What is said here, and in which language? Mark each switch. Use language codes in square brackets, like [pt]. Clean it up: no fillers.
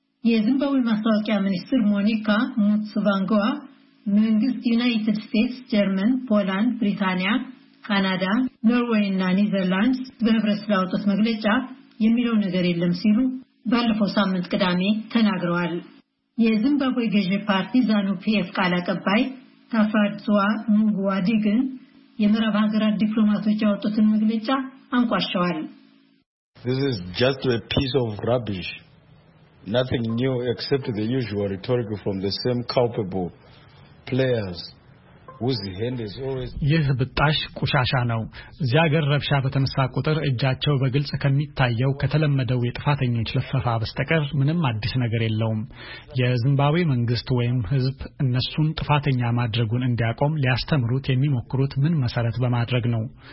[am] የዚምባብዌ ማስታወቂያ ሚኒስትር ሞኒካ ሙትስቫንጓ መንግስት ዩናይትድ ስቴትስ፣ ጀርመን፣ ፖላንድ፣ ብሪታንያ፣ ካናዳ፣ ኖርዌይ እና ኒዘርላንድ በህብረት ስራ ወጥቶ መግለጫ የሚለው ነገር የለም ሲሉ ባለፈው ሳምንት ቅዳሜ ተናግረዋል። የዚምባብዌ ገዢ ፓርቲ ዛኑ ፒኤፍ ቃል አቀባይ ታፋድዙዋ ሙጉዋዲ ግን የምዕራብ ሀገራት ዲፕሎማቶች ያወጡትን መግለጫ አንቋሸዋል። [en] This is just a piece of rubbish. Nothing new except the usual rhetoric from the same culpable players. [am] ይህ ብጣሽ ቁሻሻ ነው። እዚያ ሀገር ረብሻ በተነሳ ቁጥር እጃቸው በግልጽ ከሚታየው ከተለመደው የጥፋተኞች ለፈፋ በስተቀር ምንም አዲስ ነገር የለውም። የዚምባብዌ መንግስት ወይም ህዝብ እነሱን ጥፋተኛ ማድረጉን እንዲያቆም ሊያስተምሩት የሚሞክሩት ምን መሰረት በማድረግ ነው?